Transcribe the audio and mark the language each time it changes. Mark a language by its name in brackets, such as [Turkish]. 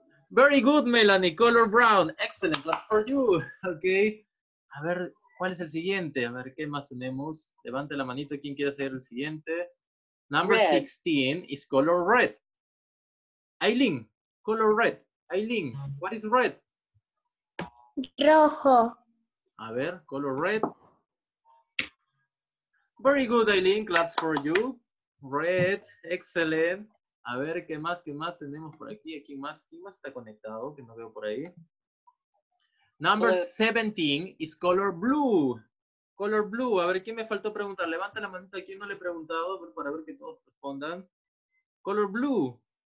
[English] Very good, Melanie. Color brown. Excellent. That's for you. Okay. A ver, [Spanish] ¿Cuál es el siguiente? A ver, ¿qué más tenemos? Levante la manita, ¿quién quiere hacer el siguiente? [English] Number red. 16 is color red. Aileen, color red. Aileen, what is red? [Spanish] Rojo. A ver, color red. [English] Very good, Aileen, claps for you. Red, excellent. [Spanish] A ver, qué más tenemos por aquí? Aquí más, ¿quién más está conectado? Que no veo por ahí. [English] Number 17 is color blue. Color blue. [Spanish] A ver, ¿quién me faltó preguntar? Levanta la manita. ¿Quién no le he preguntado? Para ver que todos respondan. [English] Color blue.